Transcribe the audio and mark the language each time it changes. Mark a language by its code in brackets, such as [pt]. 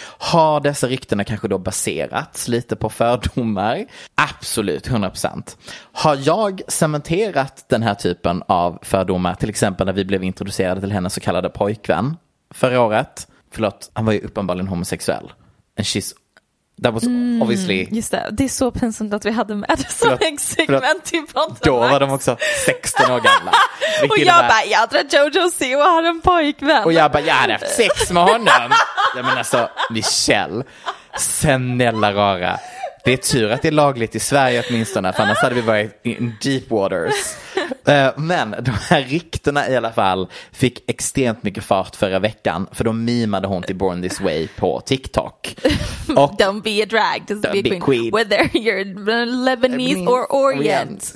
[sv] Har dessa ryktena kanske då baserats lite på fördomar? Absolut, 100%. Har jag cementerat den här typen av fördomar? Till exempel när vi blev introducerade till hennes så kallade pojkvän förra året. Förlåt, han var ju uppenbarligen homosexuell. [en] And she's that was obviously... [sv] Just det, det är så pinsamt att vi hade med som en segment i podden. Då var de också 16 år gamla. Och jag bara, jag tror att Jojo Siwa har en pojkvän. Och jag bara, jag hade haft sex med honom. Jag menar alltså, Michelle. Senella rara. Det är tur att det är lagligt i Sverige åtminstone, för annars hade vi varit [en] in deep waters. [sv] Men de här ryktena i alla fall fick extremt mycket fart förra veckan, för då mimade hon till Born This Way på TikTok. Och [en] don't be a drag, just be a queen. Whether you're Lebanese or Orient.